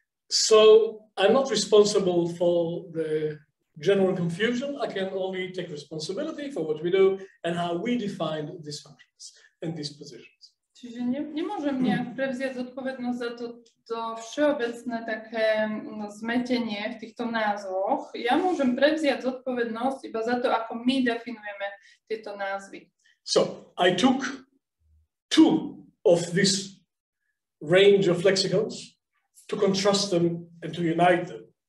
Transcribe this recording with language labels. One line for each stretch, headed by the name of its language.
English: So I'm not responsible for the general confusion, I can only take responsibility for what we do and how we define these functions and these positions.
Slovak: Čiže nemôžem nejak prevziať zodpovednosť za to všeobecné také zmetenie v týchto názvoch. Ja môžem prevziať zodpovednosť iba za to, ako my definujeme tieto názvy.
English: So I took two of this range of lexicons to contrast them and to unite them.